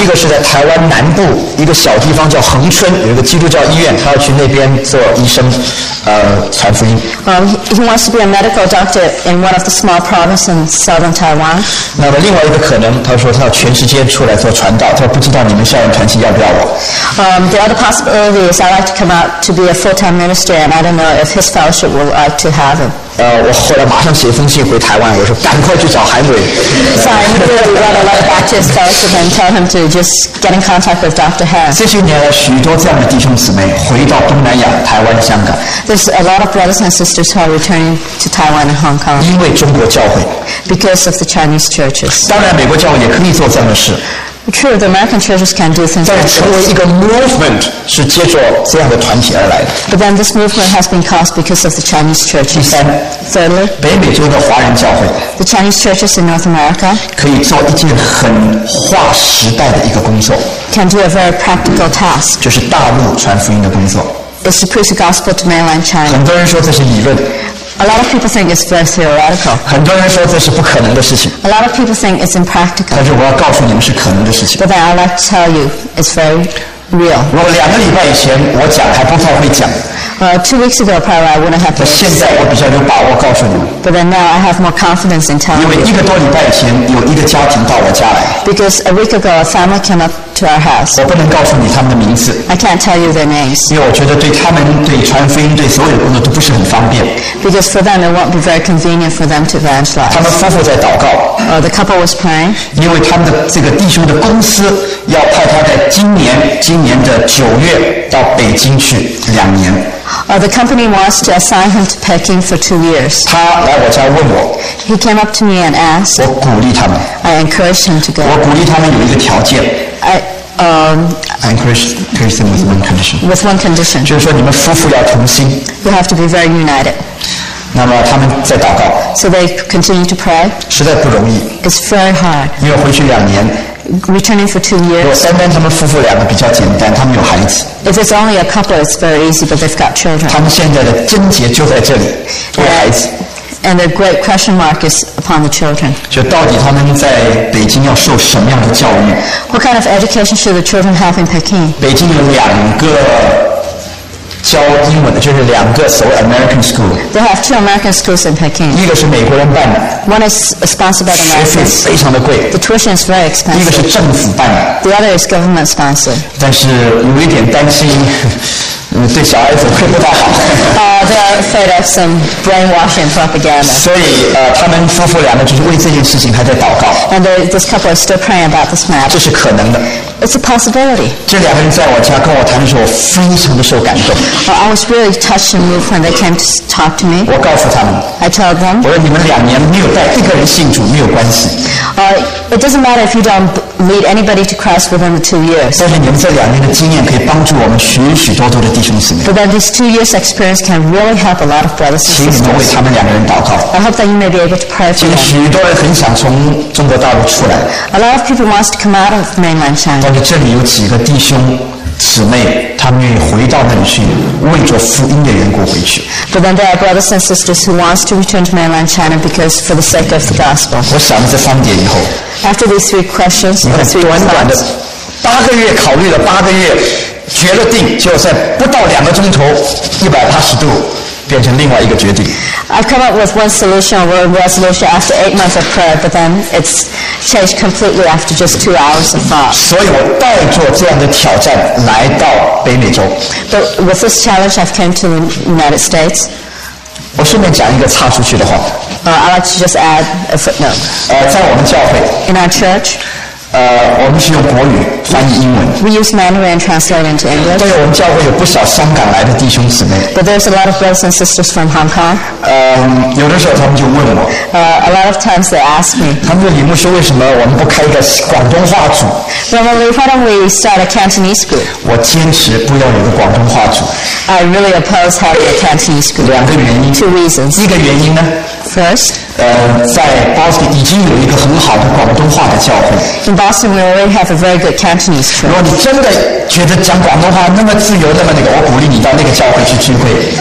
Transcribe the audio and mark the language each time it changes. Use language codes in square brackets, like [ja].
[zh] 一个是在台湾南部一个小地方叫恒春，有一个基督教医院，他要去那边做医生，传福音。 [en] He wants to be a medical doctor in one of the small provinces in southern Taiwan。 [zh] 那么另外一个可能，他说他要全世界出来做传道，他不知道你们校园团契要不要我。 [en] The other possibility is I'd like to come out to be a full-time minister, and I don't know if his fellowship would like to have him. [zh] 我后来马上写一封信回台湾，我说赶快去找韩伟。 [en] So I really want to write back to his fellowship and tell him to just get in contact with Dr. Han. [zh] 这些年来，许多这样的弟兄姊妹回到东南亚、台湾、香港。 [en] There's a lot of brothers and sisters who are returning to Taiwan and Hong Kong. [zh] 因为中国教会。 [en] Because of the Chinese churches. [zh] 当然，美国教会也可以做这样的事。 [en] True, the American churches can do things. [zh] 但成为一个 movement 是借助这样的团体而来的。 [en] But then this movement has been caused because of the Chinese churches. And thirdly, [zh] 北美洲的华人教会 [en] the Chinese churches in North America [zh] 可以做一件很划时代的一个工作 [en] can do a very practical task. [zh] 就是大陆传福音的工作 [en] is to preach the gospel to mainland China. [zh] 很多人说这是理论。 [en] A lot of people think it's very theoretical. [zh] 很多人说这是不可能的事情。 [en] A lot of people think it's impractical. [zh] 但是我要告诉你们是可能的事情。 [en] But then I'd like to tell you it's very real. [zh] 我两个礼拜以前我讲还不太会讲。 [en] Two weeks ago, probably I wouldn't have. [zh] 现在我比较有把握告诉你们。 [en] But then now I have more confidence in telling. [zh] 因为一个多礼拜以前有一个家庭到我家来。 [en] Because a week ago a family came up to our house. [zh] 我不能告诉你他们的名字。 [en] I can't tell you their names. [zh] 因为我觉得对他们、对传福音、对所有的工作都不是很方便。 [en] Because for them it won't be very convenient for them to evangelize. [zh] 他们夫妇在祷告。 [en] The couple was praying. [zh] 因为他们的这个弟兄的公司要派他在今年的九月到北京去两年。 [en] The company wants to assign him to Peking for 2 years. [zh] 他来我家问我。 [en] He came up to me and asked. [zh] 我鼓励他们。 [en] I encouraged him to go. [zh] 我鼓励他们有一个条件。 [en] I encouraged him with one condition. With one condition. [zh] 就是说你们夫妇要同心。 [en] You have to be very united. [zh] 那么他们在祷告。 [en] So they continue to pray. [zh] 实在不容易。 [en] It's very hard. [zh] 因为回去两年。 [en] Returning for 2 years. If it's only a couple, it's very easy, but they've got children. If it's only a couple, it's very easy, but they've got children. [zh] 他们现在的症结就在这里，为孩子。 [en] And the great question mark is upon the children. [zh] 就到底他们在北京要受什么样的教育？ [en] What kind of education should the children have in Peking? [zh] 北京有两个教英文的，就是两个所谓 American school. [en] They have two American schools in Peking. [zh] 一个是美国人办的。 [en] One is sponsored by Americans. [zh] 学费非常的贵。 [en] The tuition is very expensive. [zh] 一个是政府办的。 [en] The other is government sponsored. [zh] 但是有一点担心，对小孩子会不太好。 [en] They are afraid of some brainwashing propaganda. [zh] 所以他们夫妇两个就是为这件事情还在祷告。 [en] And this couple is still praying about this matter. [zh] 这是可能的。 [en] It's a possibility. [zh] 这两个人在我家跟我谈的时候，我非常的受感动。 [en] I was really touched and moved when they came to talk to me. [zh] 我告诉他们。 [en] I told them. [zh] 我说你们两年没有带一个人信主没有关系。 [en] It doesn't matter if you don't lead anybody to Christ within the 2 years. [zh] 但是你们这两年的经验可以帮助我们许许多多的弟兄姊妹。 [en] But then these 2 years' experience can really help a lot of brothers and sisters. [zh] 请你们为他们两个人祷告。 [en] I hope that you may be able to pray for them. [zh] 其实许多人很想从中国大陆出来。 [en] A lot of people want to come out of mainland China. [zh] 但是这里有几个弟兄姊妹，他们愿意回到那里去，为着福音的缘故回去。 [en] But then there are brothers and sisters who want to return to mainland China because for the sake of the gospel. [zh] 我想了这三点以后。 [en] After these three questions, [zh] 你看 [en] three [zh] 短短的八个月考虑了八个月，决了定，就在不到两个钟头，180度变成另外一个决定。 [en] I've come up with one solution or one resolution after 8 months of prayer, but then it's changed completely after just 2 hours of thought. [zh] 所以我带着这样的挑战来到北美洲。 [en] But with this challenge, I've came to the United States. [zh] 我顺便讲一个插出去的话。 [en] I'd like to just add a footnote. [zh] 在我们教会。 [en] In our church. [zh] 我们是用国语翻译英文。 [en] We use Mandarin translated into English. [zh] 但是我们教会有不少香港来的弟兄姊妹。 [en] But there's a lot of brothers and sisters from Hong Kong. [zh] 有的时候他们就问我。 [en] A lot of times they ask me. [zh] 他们说李牧师为什么我们不开一个广东话组 [en] ？Normally, why don't we start a Cantonese group? [zh] 我坚持不要有个广东话组。 [en] I really oppose having a Cantonese group. [zh] 两个原因。 [en] Two reasons. [zh] 一个原因呢？ [en] First, [zh] 在 Boston 已经有一个很好的广东话的教会。 [en] In Boston, we already have a very good Cantonese church. [zh] 如果你真的觉得讲广东话那么自由，那么那个，我鼓励你到那个教会去聚会。